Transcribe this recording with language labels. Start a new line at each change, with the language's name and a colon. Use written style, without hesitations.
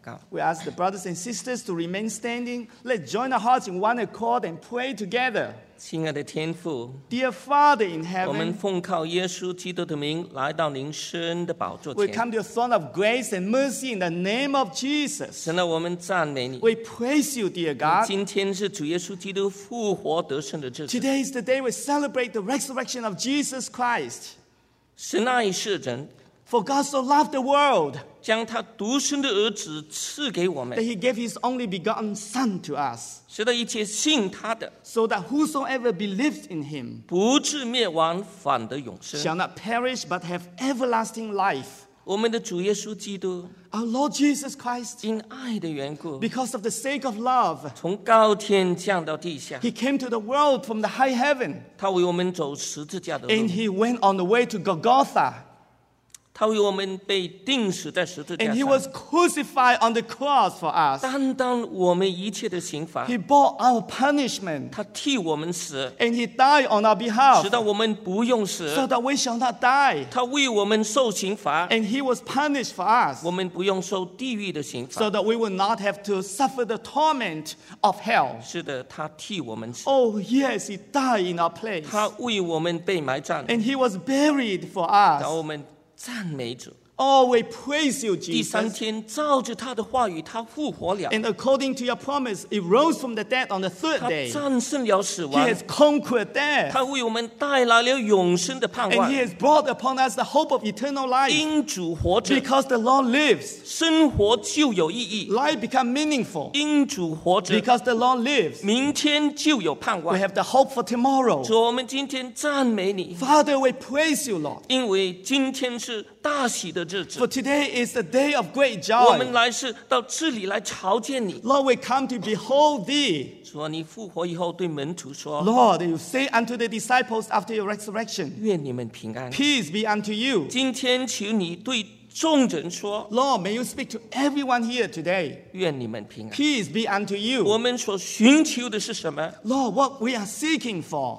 English: We ask the brothers and sisters to remain standing. Let's join our hearts in one accord and pray together.
Chinese: 亲爱的天父,
English: Dear Father in heaven,
Chinese: 我们奉靠耶稣基督的名来到您施恩的宝座前。
English: We come to your throne of grace and mercy in the name of Jesus.
Chinese: 神啊，我们赞美你。
English: We praise you, dear God.
Chinese: 今天是主耶稣基督复活得胜的日子。
English: Today is the day we celebrate the resurrection of Jesus Christ.
Chinese: 神爱世人。
English: For God so loved the world,
Chinese: 将他独生的儿子赐给我们,
English: that he gave his only begotten son to us,
Chinese: 使得一切信他的,
English: so that whosoever believes in him,
Chinese: 不至灭亡, 反得永生,
English: shall not perish, but have everlasting life.
Chinese: 我们的主耶稣基督,
English: our Lord Jesus Christ,
Chinese: 因爱的缘故,
English: because of the sake of love,
Chinese: 从高天降到地下,
English: he came to the world from the high heaven,
Chinese: 他为我们走十字架的路,
English: and he went on the way to Golgotha,
Chinese: 他为我们被钉死在十字架上。
English: And he was crucified on the cross for us.
Chinese: 担当我们一切的刑罚。
English: He bore our punishment.
Chinese: 他替我们死。
English: And he died on our behalf.
Chinese: 使得我们不用死。
English: So that we shall not die.
Chinese: 他为我们受刑罚。
English: And he was punished for us.
Chinese: 我们不用受地狱的刑罚。
English: So that we will not have to suffer the torment of hell.
Chinese: 是的，他替我们死。
English: Oh yes, he died in our place.
Chinese: 他为我们被埋葬。
English: And he was buried for us.
Chinese: 让我们赞美主。
English: Oh, we praise you, Jesus.
Chinese: 第三天，照着他的话语，他复活了。
English: And according to your promise, he rose from the dead on the third day.
Chinese: 他战胜了死亡。
English: He has conquered death.
Chinese: 他为我们带来了永生的盼望。
English: And he has brought upon us the hope of eternal life.
Chinese: 因主活着。
English: Because the Lord lives.
Chinese: 生活就有意义。
English: Life become meaningful.
Chinese: 因主活着。
English: Because the Lord lives.
Chinese: 明天就有盼望。
English: We have the hope for tomorrow.
Chinese: 主，我们今天赞美你。
English: Father, we praise you, Lord.
Chinese: 因为今天是大喜的。
English: For today is the day of great joy.
Chinese: 我们来是到这里来朝见你。
English: Lord, we come to behold thee.
Chinese: 主啊，你复活以后对门徒说。
English: Lord, you say unto the disciples after your resurrection.
Chinese: 愿你们平安。
English: Peace be unto you.
Chinese: 今天求你对众人说。
English: Lord, may you speak to everyone here today.
Chinese: 愿你们平安。
English: Peace be unto you.
Chinese: 我们所寻求的是什么？
English: Lord, what we are seeking for.